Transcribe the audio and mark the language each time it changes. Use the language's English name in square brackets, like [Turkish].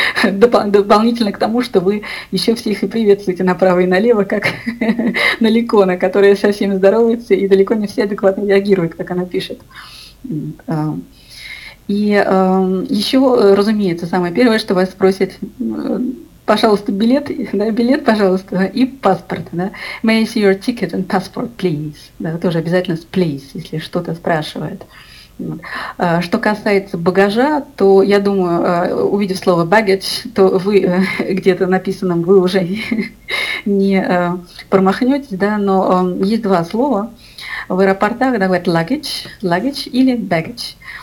[Russian] Дополнительно к тому, что вы еще всех и приветствуете направо и налево, как на Ликона, которая со всеми здоровается и далеко не все адекватно реагирует, как она пишет. И еще, разумеется, самое первое, что вас спросят, пожалуйста, билет, да, билет, пожалуйста, и паспорт, да. [English] May I see your ticket and passport, please. [Russian] Да, тоже обязательно с please, если что-то спрашивает. Что касается багажа, то я думаю, увидев слово baggage, то вы где-то написанном вы уже не промахнетесь, да, но есть два слова в аэропортах, да, говорят luggage, luggage или baggage.